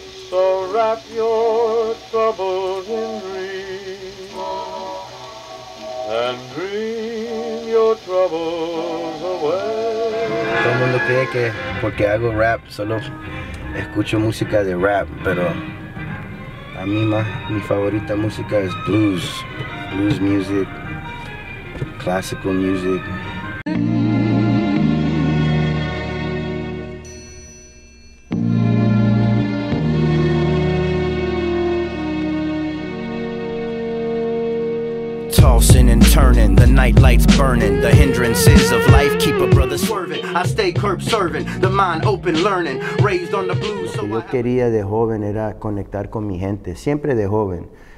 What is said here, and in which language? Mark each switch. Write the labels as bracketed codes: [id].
[en] So wrap your troubles in dreams and dream your troubles away. [es] Todo el mundo cree que porque hago rap solo escucho música de rap, pero a mí mi favorita música es blues, [en] blues music, classical music. Tossing and turning, the night lights burning, the hindrances of life keep a brother swerving. I stay curb serving, the mind open learning, raised on the blues. [es] Lo que yo quería de joven era conectar con mi gente, siempre de joven.